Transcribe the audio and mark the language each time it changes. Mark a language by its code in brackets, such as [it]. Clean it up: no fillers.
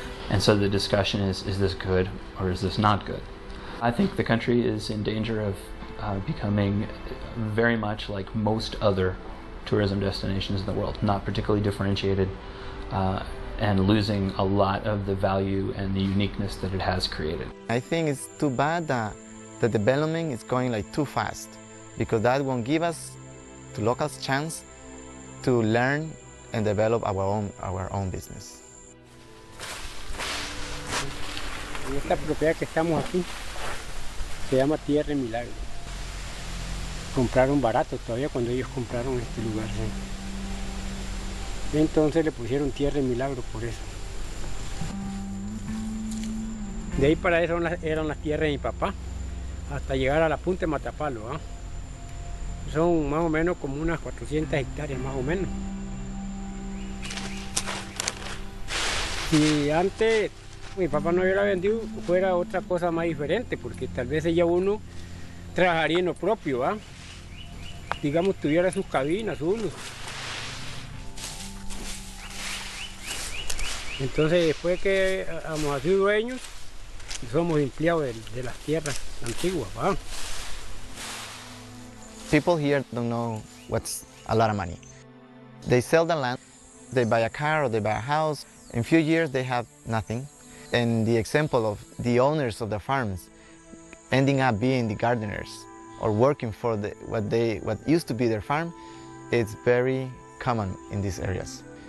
[en] And so the discussion is this good or is this not good? I think the country is in danger of becoming very much like most other tourism destinations in the world, not particularly differentiated, and losing a lot of the value and the uniqueness that it has created. I think it's too bad that the development is going like too fast, because that won't give us the locals chance to learn and develop our own business. [es] Esta propiedad que estamos aquí se llama Tierra Milagro. Compraron barato todavía cuando ellos compraron este lugar. Entonces le pusieron Tierra y Milagro por eso. De ahí para eso eran las tierras de mi papá, hasta llegar a la punta de Matapalo. Son más o menos como unas 400 hectáreas, más o menos. Si antes mi papá no hubiera vendido, fuera otra cosa más diferente, porque tal vez ella uno trabajaría en lo propio, ¿va? Digamos, tuviera sus cabinas, uno. Entonces, después que hemos sido dueños, somos empleados de las tierras antiguas. Wow. [en] People here don't know what's a lot of money. They sell the land, they buy a car or they buy a house. In a few years, they have nothing. And the example of the owners of the farms ending up being the gardeners or working for what used to be their farm, it's very common in these areas.